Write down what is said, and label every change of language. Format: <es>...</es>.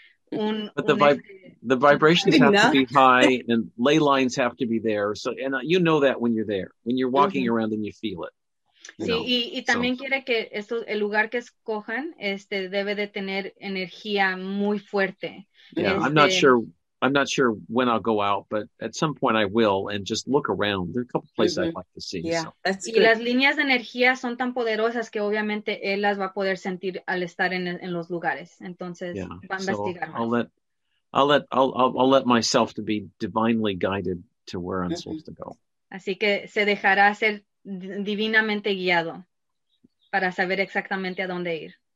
<en>the vibrations have to be high and ley lines have to be there. So, and you know that when you're there, when you're walking mm-hmm. around and you feel it.</en> <es>Sí,</es> <en>you know,</en> <es>y también quiere que el lugar que escojan debe de tener energía muy fuerte.</es> <en>Yeah, I'm not sure when I'll go out, but at some point I will and just look around. There are a couple of places mm-hmm. I'd like to see. Yeah,</en> <es>y las líneas de energía son tan poderosas que obviamente él las va a poder sentir al estar en los lugares. Entonces, va a investigar.</es> <en>I'll let myself to be divinely guided to where I'm mm-hmm. supposed to go.</en> <es>Así que se dejará ser divinamente guiado para saber exactamente a dónde ir.</es>